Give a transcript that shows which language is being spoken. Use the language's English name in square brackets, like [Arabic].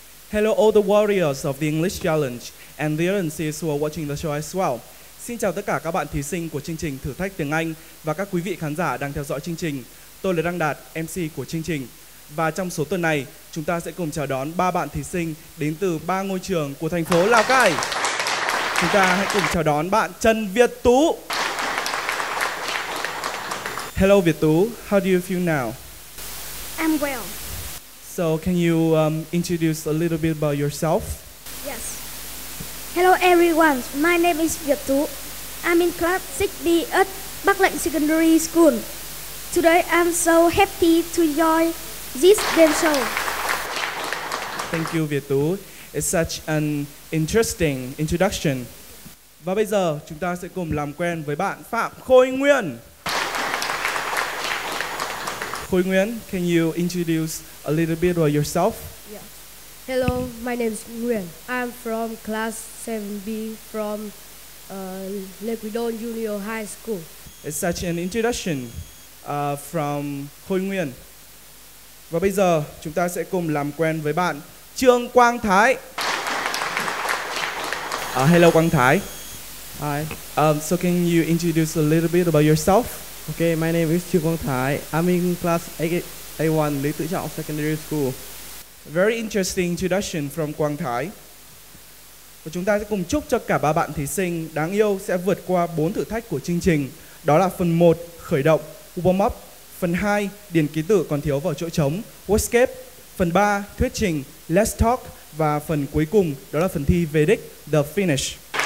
[English] Hello all the warriors of the English challenge and the audiences who are watching the show as well. [Vietnamese] Xin chào tất cả các bạn thí sinh của chương trình thử thách tiếng Anh và các quý vị khán giả đang theo dõi chương trình. Tôi là Đăng Đạt, MC của chương trình. Và trong số tuần này, chúng ta sẽ cùng chào đón 3 bạn thí sinh đến từ 3 ngôi trường của thành phố Lào Cai. Chúng ta hãy cùng chào đón bạn Trần Việt Tú. [English] Hello Việt Tú, how do you feel now? I'm well. So can you introduce a little bit about yourself? Yes. Hello everyone, my name is Việt Tú. I'm in class 6B at Bắc Lệnh Secondary School. Today I'm so happy to join this game show. Thank you Việt Tú. It's such an interesting introduction. [Vietnamese] Và bây giờ chúng ta sẽ cùng làm quen với bạn Phạm Khôi Nguyên. [English] Khôi Nguyên, can you introduce a little bit about yourself? Yeah. Hello, my name is Nguyen. I'm from class 7B from Lequidon Junior High School. It's such an introduction from Khôi Nguyên. [Vietnamese] Và bây giờ chúng ta sẽ cùng làm quen với bạn Trương Quang Thái. [English] Hello, Quang Thái. Hi. So can you introduce a little bit about yourself? Okay, my name is Trương Quang Thái. I'm in class A1, Lý Tự Trọng Secondary School. Very interesting introduction from Quang Thái. [Vietnamese] Và chúng ta sẽ cùng chúc cho cả ba bạn thí sinh đáng yêu sẽ vượt qua 4 thử thách của chương trình. Đó là phần 1, khởi động, warm up. Phần 2, điền ký tự còn thiếu vào chỗ trống, wordscape. Phần 3, thuyết trình, let's talk. Và phần cuối cùng, đó là phần thi về đích, the finish.